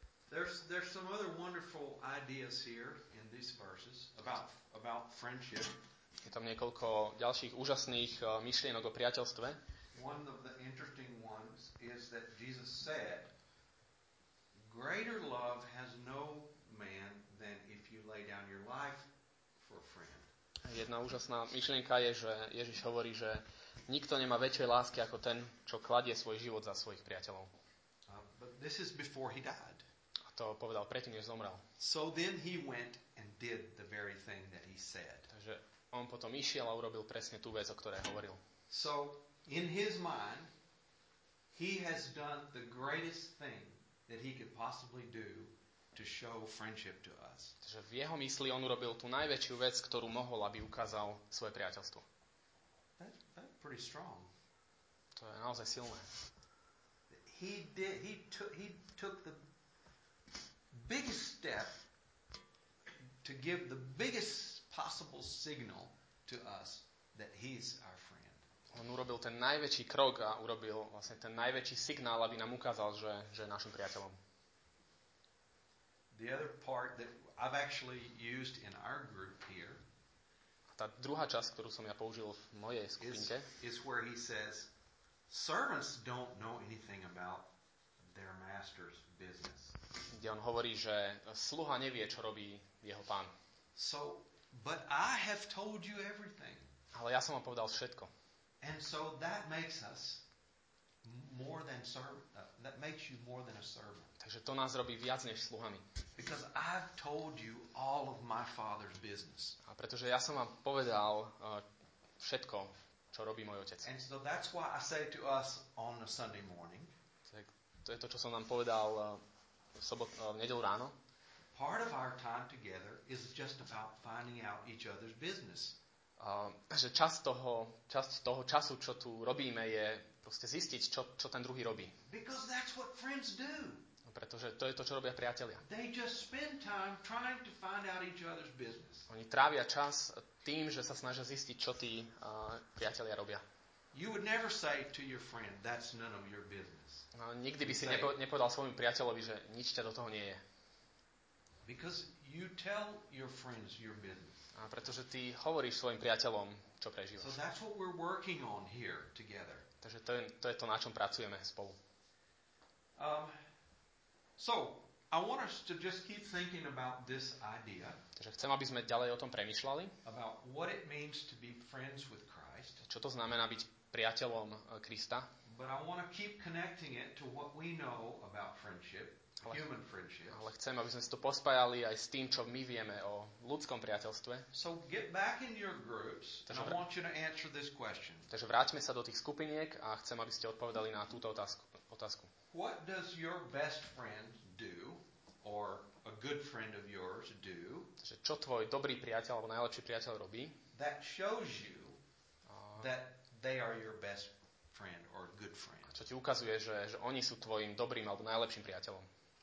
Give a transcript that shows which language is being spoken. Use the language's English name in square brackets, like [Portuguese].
[English] There's some other wonderful ideas here in these verses about friendship. [Slovak] Je tam niekoľko ďalších úžasných myšlienok o priateľstve. [English] One of the interesting ones is that Jesus said, greater love has no man than if you lay down your life for a friend. [Slovak] Jedna úžasná myšlienka je, že Ježiš hovorí, že nikto nemá väčšej lásky ako ten, čo kladie svoj život za svojich priateľov. [English] But this is before he died. [Slovak] To povedal predtým, než zomrel. [English] So then he went and did the very thing that he said. [Slovak] Takže on potom išiel a urobil presne tú vec, o ktorej hovoril. [English] So in his mind he has done the greatest thing that he could possibly do to show friendship to us. [Slovak] Takže v jeho mysli on urobil tú najväčšiu vec, ktorú mohol, aby ukázal svoje priateľstvo. [English] That's pretty strong. [Slovak] To je naozaj silné. [English] He took the biggest step to give the biggest possible signal to us that he is our friend. [Slovak] On urobil ten najväčší krok a urobil vlastne ten najväčší signál, aby nám ukázal, že je našim priateľom. [English] The other part that I've actually used in our group here. [Slovak] Tá druhá časť, ktorú som ja použil v mojej skupinke, [English] is where he says servants don't know anything about their master's business. [Slovak] Kde on hovorí, že sluha nevie, čo robí jeho pán. [English] So, but I have told you everything. [Slovak] Ale ja som vám povedal všetko. [English] And so that makes us more than that makes you more than a servant. [Slovak] Takže to nás robí viac než sluhami. [English] Because I've told you all of my father's business. [Slovak] A pretože ja som vám povedal všetko, čo robí môj otec. [English] And so that's why I say to us on a Sunday morning. [Slovak] Tak to je to, čo som vám povedal v nedeľu ráno. [English] Part of our time together is just about finding out each other's business. [Slovak] Že časť toho času, čo tu robíme, je proste zistiť, čo ten druhý robí. [English] Because that's what friends do. [Slovak] Pretože to je to, čo robia priatelia. [English] They just spend time trying to find out each other's business. [Slovak] Oni trávia čas tým, že sa snažia zistiť, čo tí priatelia robia. [English] You would never say to your friend, that's none of your business. [Slovak] Nikdy by si nepovedal svojmu priateľovi, že nič ťa do toho nie je. [English] Because you tell your friends your business. [Slovak] A pretože ty hovoríš svojim priateľom, čo prežívaš. [English] So that's what we're working on here together. [Slovak] Takže to je to, na čom pracujeme spolu. [English] So, I want us to just keep thinking about this idea. [Slovak] Takže chcem, aby sme ďalej o tom premýšľali. [English] About what it means to be friends with Christ. [Slovak] Čo to znamená byť priateľom Krista. [English] But I want to keep connecting it to what we know about friendship. Human friendship. [Slovak] Ale chcem, aby sme si to pospájali aj s tým, čo my vieme o ľudskom priateľstve. [English] So get back in your groups and I want you to answer this question. [Slovak] Takže vráťme sa do tých skupiniek a chcem, aby ste odpovedali na túto otázku. [English] What does your best friend do or a good friend of yours do? [Slovak] Takže čo tvoj dobrý priateľ alebo najlepší priateľ robí? [English] That shows you that they are your best friend or good friend. [Slovak] Čo ti ukazuje, že oni sú tvojim dobrým alebo najlepším priateľom?